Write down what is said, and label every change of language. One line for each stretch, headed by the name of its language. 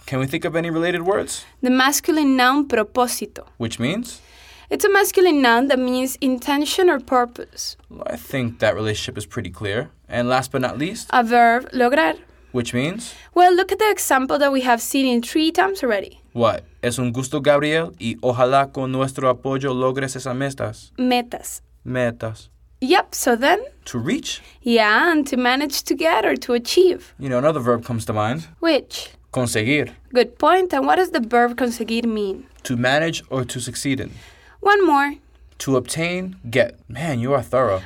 English: Can we think of any related words? The masculine noun propósito. Which means? It's a masculine noun that means intention or purpose. Well, I think that relationship is pretty clear. And last but not least? A verb, lograr. Which means? Well, look at the example that we have seen in three times already. What?
Spanish: Es un gusto, Gabriel, y ojalá con nuestro apoyo logres esas metas. Metas. Metas.
English: Yep, so then? To reach. Yeah, and to manage to get or to achieve. You know, another verb comes to mind. Which?
Spanish: Conseguir.
English: Good point. And what does the verb conseguir mean? To manage or to succeed in. One more. To obtain, get. Man, you are thorough.